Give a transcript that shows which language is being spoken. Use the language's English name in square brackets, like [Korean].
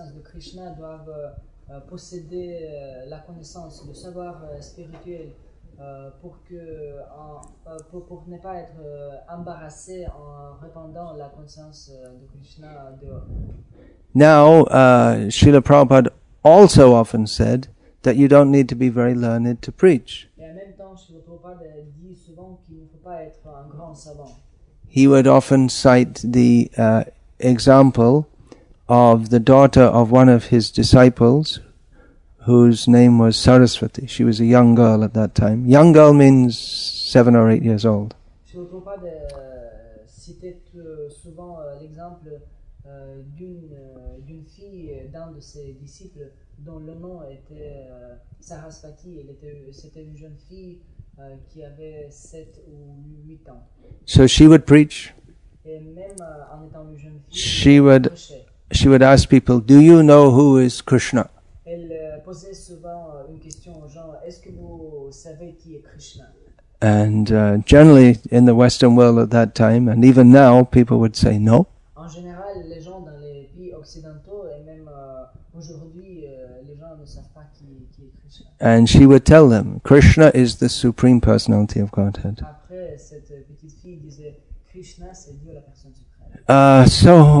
[French] Krishna doivent posséder la connaissance, le savoir spirituel pour ne pas être embarrassé en répandant la conscience de Krishna dehors. [English] Now, Srila Prabhupada also often said that you don't need to be very learned to preach. [French] Et en même temps, Srila Prabhupada dit souvent qu'il ne faut pas être un grand savant. [English] He would often cite the example of the daughter of one of his disciples, whose name was Saraswati. She was a young girl at that time. Young girl means 7 or 8 years old. [French] Srila Prabhupada citait souvent l'exemple d'une fille d'un de ses disciples dont le nom était Sarasvati. Elle était, c'était une jeune fille qui avait 7 ou 8 ans. [English] So she would preach. [French] Et même en étant une jeune fille, [English] she would ask people, do you know who is Krishna? [French] Elle posait souvent une question aux gens, est-ce que vous savez qui est Krishna? [English] And generally in the Western world at that time, and even now, people would say no. [French] En général, les gens dans les pays occidentaux, et même aujourd'hui, les gens ne savent pas qui est Krishna. [English] And she would tell them, Krishna is the Supreme Personality of Godhead. [French] Après, cette petite fille disait, Krishna, c'est Dieu la personne suprême.